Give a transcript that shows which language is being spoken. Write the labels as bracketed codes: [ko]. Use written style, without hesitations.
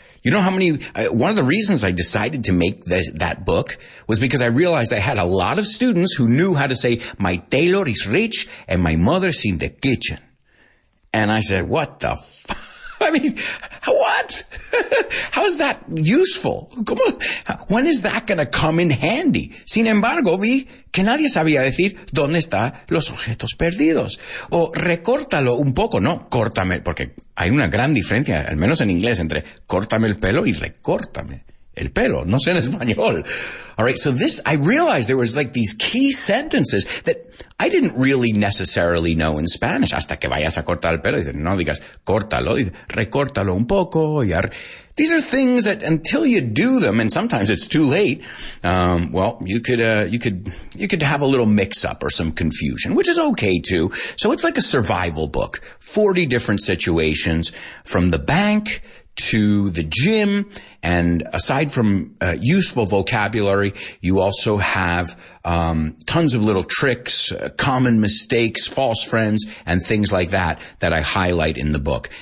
[en] You know how many, one of the reasons I decided to make that book was because I realized I had a lot of students who knew how to say, my tailor is rich and my mother's in the kitchen. And I said, what the f-? I mean, what? How is that useful? [es] ¿Cómo? [en] When is that going to come in handy? [es] Sin embargo, vi que nadie sabía decir dónde están los objetos perdidos. O recórtalo un poco, no, córtame, porque hay una gran diferencia, al menos en inglés, entre córtame el pelo y recórtame el pelo, no sé en español. [en] All right, so this, I realized there was like these key sentences that I didn't really necessarily know in Spanish. [es] Hasta que vayas a cortar el pelo, y no digas, córtalo, y recórtalo un poco. [en] Y these are things that until you do them, and sometimes it's too late, you could have a little mix-up or some confusion, which is okay too. So it's like a survival book, 40 different situations from the bank to the gym, and aside from useful vocabulary, you also have tons of little tricks, common mistakes, false friends, and things like that that I highlight in the book.